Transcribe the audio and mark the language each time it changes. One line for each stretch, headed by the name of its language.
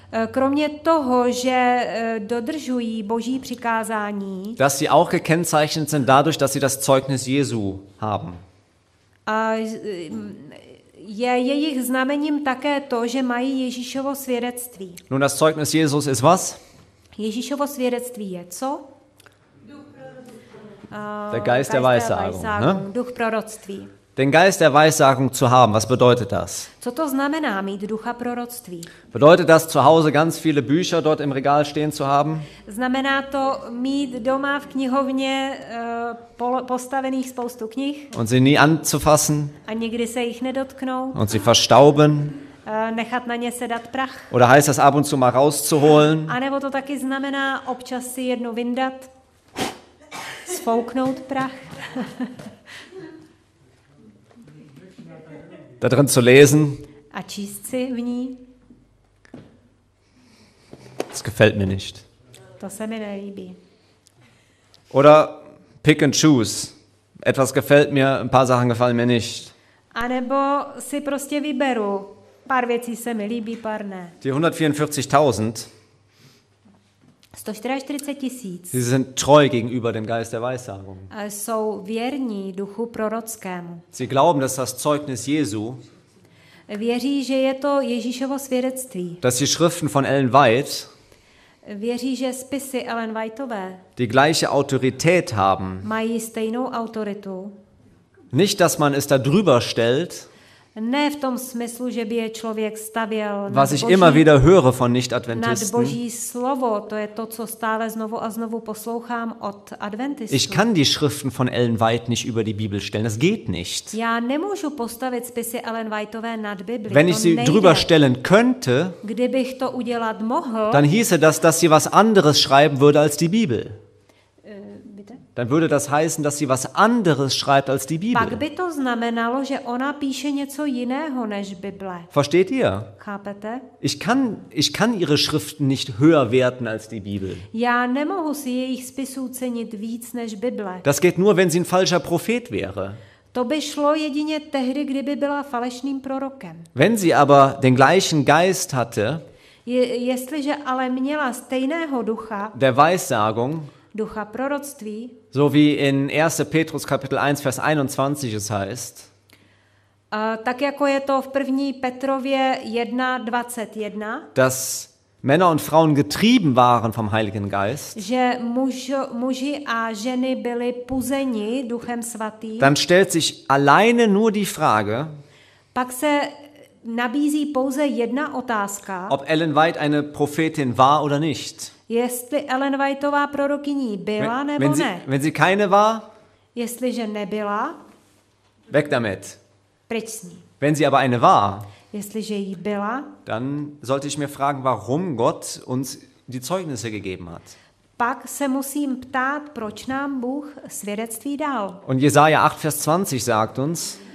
Czech: Kromě toho, že dodržují Boží přikázání.
German: Dass sie auch gekennzeichnet sind dadurch, dass sie das Zeugnis Jesu haben.
Czech: Je jejich znamením také to, že mají Ježíšovo svědectví.
German: Nun, das Zeugnis Jesus ist was?
Czech: Ježíšovo svědectví je co?
German: Der Geist der Weissagung, ne?
Czech: Duch proroctví.
German: Den Geist der Weissagung zu haben, was bedeutet das?
Czech: Co to znamená mít ducha proroctví?
German: Bedeutet das, zu Hause ganz viele Bücher dort im Regal stehen zu haben?
Czech: Znamená to mít doma v knihovně postavených spoustu knih?
German: Und sie nie anzufassen?
Czech: A nikdy se jich nedotknout?
German: Und sie verstauben?
Czech: Nechat na ně sedat prach?
German: Oder heißt das, ab und zu mal rauszuholen?
Czech: A nebo to taky znamená občas si jednu vyndat? Sfouknout prach?
German: Da drin zu lesen.
Czech: A číst si v ní.
German: Das gefällt mir nicht.
Czech: To se mi nelíbí.
English: Oder pick and choose.
German: Etwas gefällt mir, ein paar Sachen gefallen mir nicht.
Czech: A nebo si prostě vyberu. Pár věcí se mi líbí, pár ne.
German: Die 144.000.
Czech: 144 000.
German: Sie sind treu gegenüber dem Geist der Weissagung.
Czech: Jsou věrní duchu prorockému.
German: Sie glauben, dass das Zeugnis Jesu.
Czech: Věří, že je to Ježíšovo svědectví.
German: Dass die Schriften von Ellen White.
Czech: Věří, že spisy Ellen Whiteové.
German: Die gleiche Autorität haben.
Czech: Mají stejnou autoritu.
German: Nicht, dass man es da drüber stellt.
Czech: Ne v tom smyslu, že by je člověk stavěl.
German: Was ich immer wieder höre von Nicht-Adventisten.
Czech: Nad Boží slovo, to je to, co stále znovu a znovu poslouchám od Adventistů.
German: Ich kann die Schriften von Ellen White nicht über die Bibel stellen. Das geht nicht.
Czech: Já nemůžu postavit spisy Ellen Whiteové nad Bibli.
German: Wenn ich sie drüber stellen könnte,
Czech: kdybych to udělat mohl,
German: dann hieße das, dass sie was anderes schreiben würde als die Bibel. Dann würde das heißen, dass sie was anderes schreibt als die Bibel.
Czech: Pak by to znamenalo, že ona píše něco jiného než Bible.
German: Versteht ihr?
Czech: Chápete?
German: Ich kann ihre Schriften nicht höher werten als die Bibel.
Czech: Já nemohu si jejich spisů cenit víc než Bible.
German: Das geht nur, wenn sie ein falscher Prophet wäre.
Czech: To by šlo jedině tehdy, kdyby byla falešným prorokem.
German: Wenn sie aber den gleichen Geist hatte,
Czech: jestliže ale měla stejného ducha,
German: der Weissagung,
Czech: ducha proroctví,
German: so wie in 1. Petrus Kapitel 1 Vers 21 es heißt.
Czech: Tak jako je to v 1. Petrově 1:21.
German: Dass Männer und Frauen getrieben waren vom Heiligen Geist,
Czech: že muži a ženy byli puzeni Duchem Svatým,
German: dann stellt sich alleine nur die Frage,
Czech: pak se nabízí pouze jedna otázka,
German: ob Ellen White eine Prophetin war oder nicht.
Czech: Jestli Ellen Whiteová prorokyní byla nebo
German: wenn sie,
Czech: ne.
German: Wenn sie keine war,
Czech: jestliže nebyla,
German: weg damit.
Czech: Pryč s ní.
German: Wenn sie aber eine war,
Czech: jestliže jí byla,
German: dann sollte ich mir fragen, warum Gott uns die Zeugnisse gegeben hat.
Czech: Pak se musím ptát, proč nám Bůh svědectví dal.
German: Und Jesaja 8, Vers 20 sagt uns,